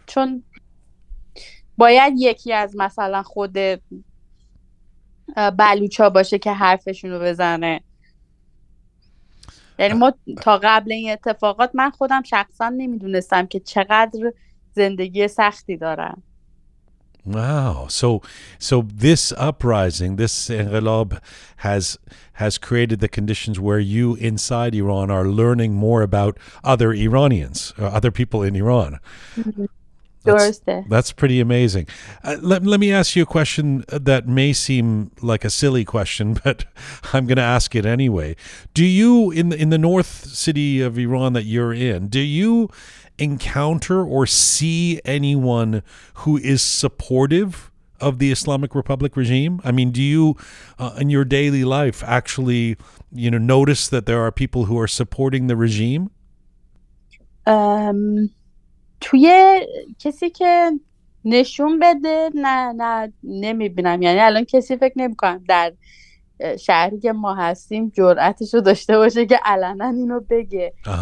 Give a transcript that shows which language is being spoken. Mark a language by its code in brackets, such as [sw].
[fa] چون باید یکی از مثلا خود بلوچا باشه که حرفشون رو بزنه. یعنی ما تا قبل این اتفاقات من خودم شخصا نمیدونستم که چقدر زندگی سختی دارم. [en] Wow. So this uprising, this [fa] انقلاب [en] has created the conditions where you inside Iran are learning more about other Iranians, other people in Iran. That's pretty amazing. Let me ask you a question that may seem like a silly question, but I'm going to ask it anyway. Do you, in the north city of Iran that you're in, do you encounter or see anyone who is supportive of the Islamic Republic regime? I mean, do you, in your daily life, actually, you know, notice that there are people who are supporting the regime? [fa] توی کسی که نشون بده نه نمیبینم. یعنی الان کسی فکر نمیکنم در شهری که ما هستیم جرأتشو داشته باشه که علنا اینو بگه.